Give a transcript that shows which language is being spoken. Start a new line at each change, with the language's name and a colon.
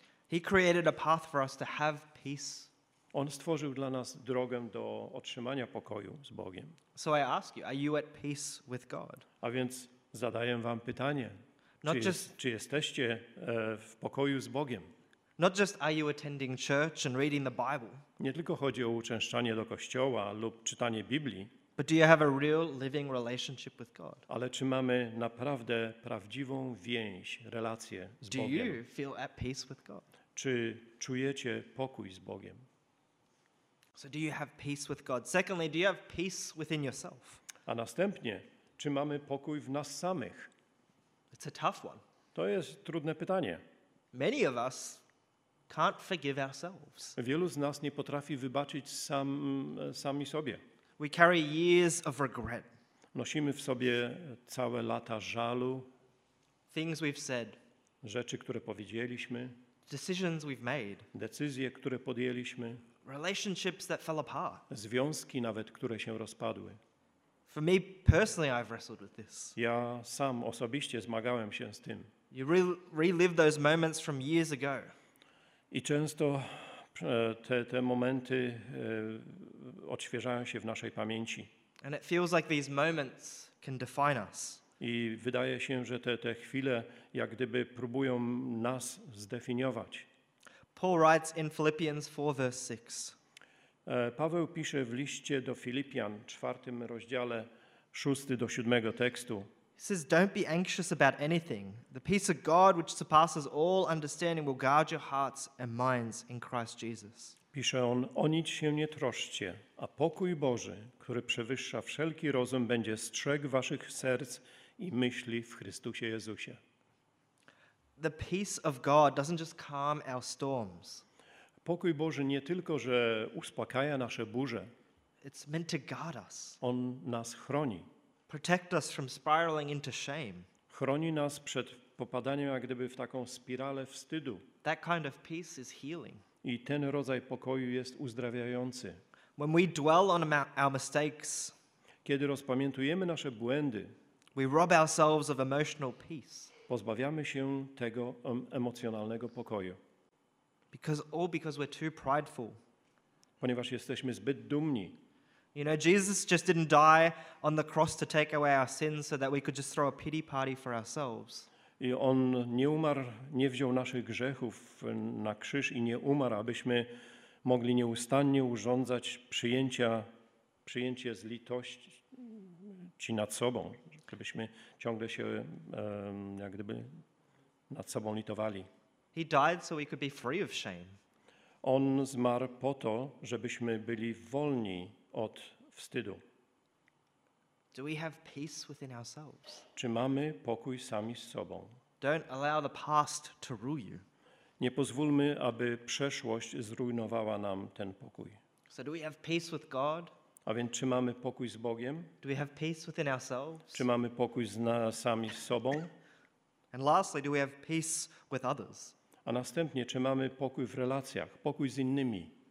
English: He created a path for us to have peace.
Polish: On stworzył dla nas drogę do otrzymania pokoju z Bogiem.
English: So I ask you, are you at peace with God?
Polish: A więc zadaję wam pytanie. Czy jesteście w pokoju z Bogiem?
English: Not just are you attending church and reading the Bible.
Polish: Nie tylko chodzi o uczęszczanie do kościoła lub czytanie Biblii.
English: But do you have a real living relationship with God?
Polish: Ale czy mamy naprawdę prawdziwą więź, relację z do Bogiem?
English: Do you feel at peace with God?
Polish: Czy czujecie pokój z Bogiem?
English: So do you have peace with God? Secondly, do you have peace within yourself?
Polish: A następnie, czy mamy pokój w nas samych?
English: It's a tough one.
Polish: To jest trudne pytanie.
English: Many of us can't forgive ourselves.
Polish: Wielu z nas nie potrafi wybaczyć sami sobie.
English: We carry years of regret.
Polish: Nosimy w sobie całe lata żalu.
English: Things we've said.
Polish: Rzeczy, które powiedzieliśmy.
English: Decisions we've made.
Polish: Decyzje, które podjęliśmy.
English: Relationships that fell apart.
Polish: Związki nawet, które się rozpadły.
English: For me personally, I've wrestled with this.
Polish: Ja sam osobiście zmagałem się z tym.
English: You relive those moments from years ago.
Polish: I często te momenty odświeżają się w naszej pamięci.
English: And it feels like these moments can define us.
Polish: I wydaje się, że te chwile jak gdyby próbują nas zdefiniować.
English: Paul writes in Philippians 4, verse 6.
Polish: Paweł pisze w liście do Filipian, 4 rozdziale, 6 do 7 tekstu.
English: He says, don't be anxious about anything. The peace of God, which surpasses all understanding, will guard your hearts and minds in Christ Jesus.
Polish: Pisze on, o nic się nie troszcie, a pokój Boży, który przewyższa wszelki rozum, będzie strzegł waszych serc i myśli w Chrystusie Jezusie.
English: The peace of God doesn't just calm our storms.
Polish: Pokój Boży nie tylko, że uspokaja nasze burze.
English: It's meant to guard us.
Polish: On nas chroni.
English: Protect us from spiraling into shame.
Polish: Chroni nas przed popadaniem jak gdyby w taką spiralę wstydu.
English: That kind of peace is healing.
Polish: I ten rodzaj pokoju jest uzdrawiający.
English: When we dwell on our mistakes,
Polish: kiedy rozpamiętujemy nasze błędy,
English: we rob ourselves of emotional peace.
Polish: Pozbawiamy się tego emocjonalnego pokoju.
English: Because we're too prideful.
Polish: Ponieważ jesteśmy zbyt dumni.
English: You know, Jesus just didn't die on the cross to take away our sins so that we could just throw a pity party for ourselves.
Polish: I on nie umarł, nie wziął naszych grzechów na krzyż i nie umarł, abyśmy mogli nieustannie urządzać przyjęcie z litości nad sobą, żebyśmy ciągle się jak gdyby nad sobą litowali.
English: He died so we could be free of shame.
Polish: On zmarł po to, żebyśmy byli wolni od wstydu.
English: Do we have peace within ourselves?
Polish: Czy mamy pokój sami z sobą?
English: Don't allow the past to rule you.
Polish: Nie pozwólmy, aby przeszłość zrujnowała nam ten pokój.
English: So do we have peace with God?
Polish: A więc czy mamy pokój z Bogiem?
English: Do we have peace within ourselves?
Polish: Czy mamy pokój sami z sobą?
English: And lastly, do we have peace with others?
Polish: A następnie, czy mamy pokój w relacjach, pokój z innymi?